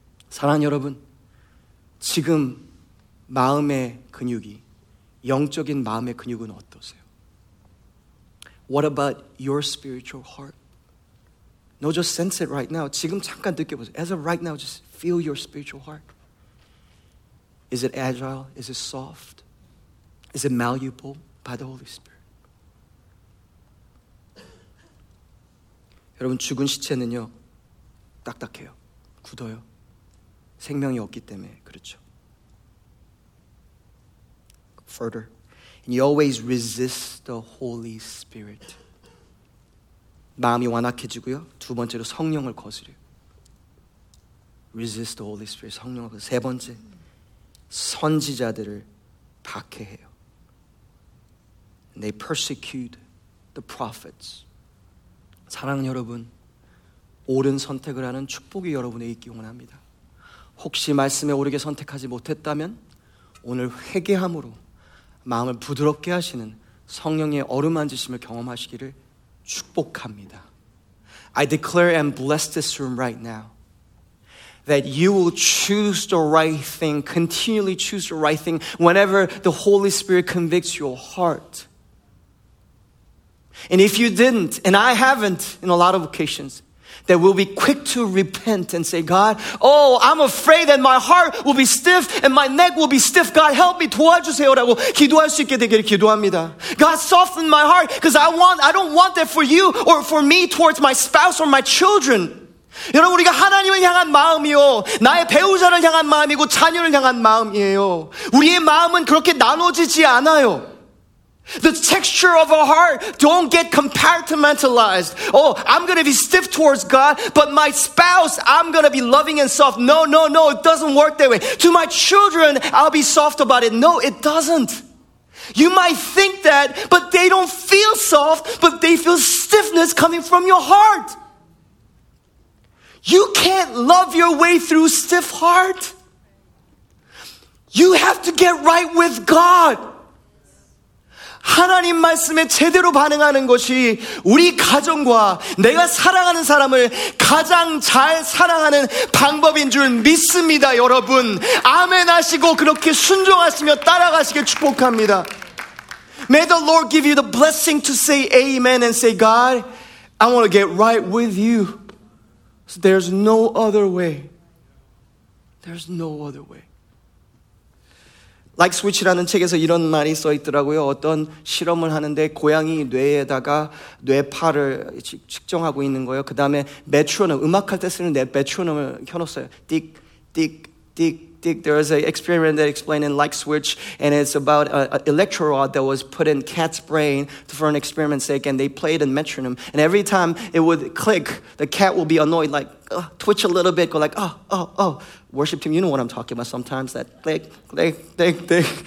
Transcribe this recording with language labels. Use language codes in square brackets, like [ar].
[ko] 사랑하는 여러분, 지금 마음의 근육이, 영적인 마음의 근육은 어떠세요? [en] What about your spiritual heart? No, just sense it right now. [ko] 지금 잠깐 느껴보세요. [en] As of right now, just feel your spiritual heart. Is it agile? Is it soft? Is it malleable by the Holy Spirit? [ko] 여러분, 죽은 시체는요, 딱딱해요. 굳어요. 생명이 없기 때문에 그렇죠. [en] Further, and you always resist the Holy Spirit. [ko] 마음이 완악해지고요. 두 번째로 성령을 거스려요. [en] Resist the Holy Spirit. [ko] 성령을 거스려요. 세 번째, 선지자들을 박해해요. [en] And they persecute the prophets. [ko] 사랑하는 여러분, 옳은 선택을 하는 축복이 여러분에게 있기 원합니다. 혹시 말씀에 옳게 선택하지 못했다면 오늘 회개함으로 마음을 부드럽게 하시는 성령의 어루만지심을 경험하시기를 축복합니다. [en] I declare and bless this room right now that you will choose the right thing, continually choose the right thing whenever the Holy Spirit convicts your heart. And if you didn't, and I haven't in a lot of occasions, that we'll be quick to repent and say, God, oh, I'm afraid that my heart will be stiff and my neck will be stiff. God, help me. [ko] 도와주세요라고 기도할 수 있게 되기를 기도합니다. [en] God, soften my heart because I don't want that for you or for me towards my spouse or my children. [ko] 여러분, 우리가 하나님을 향한 마음이요. 나의 배우자를 향한 마음이고 자녀를 향한 마음이에요. 우리의 마음은 그렇게 나눠지지 않아요. [en] The texture of our heart don't get compartmentalized. Oh, I'm going to be stiff towards God, but my spouse, I'm going to be loving and soft. No, no, no, it doesn't work that way. To my children, I'll be soft about it. No, it doesn't. You might think that, but they don't feel soft, but they feel stiffness coming from your heart. You can't love your way through stiff heart. You have to get right with God. [ko] 하나님 말씀에 제대로 반응하는 것이 우리 가정과 내가 사랑하는 사람을 가장 잘 사랑하는 방법인 줄 믿습니다, 여러분. 아멘 하시고 그렇게 순종하시며 따라가시길 축복합니다. [en] May the Lord give you the blessing to say amen and say, God, I want to get right with you. So there's no other way. There's no other way. [ko] Like Switch라는 책에서 이런 말이 써 있더라고요. 어떤 실험을 하는데 고양이 뇌에다가 뇌파를 측정하고 있는 거예요. 그 다음에 메트로놈, 음악할 때 쓰는 메트로놈을 켜놓았어요. 띡, 띡, 띡, 띡. [en] There was an experiment that explained in Like Switch, and it's about an electrode that was put in cat's brain for an experiment's sake, and they played a metronome. And every time it would click, the cat would be annoyed, like twitch a little bit, go like, oh, oh, oh. Worship team, you know what I'm talking about sometimes, that click, click, click, click.